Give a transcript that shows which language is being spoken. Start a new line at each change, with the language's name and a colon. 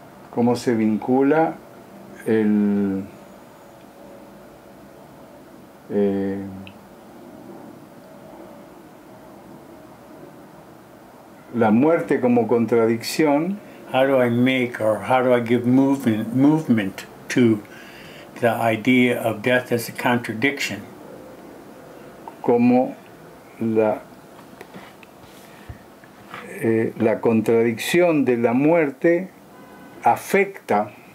Spanish: cómo se vincula el la muerte como contradicción.
English: How do I make or how do I give movement to the idea of death as a contradiction?
Spanish: Como la la contradicción de la muerte afecta,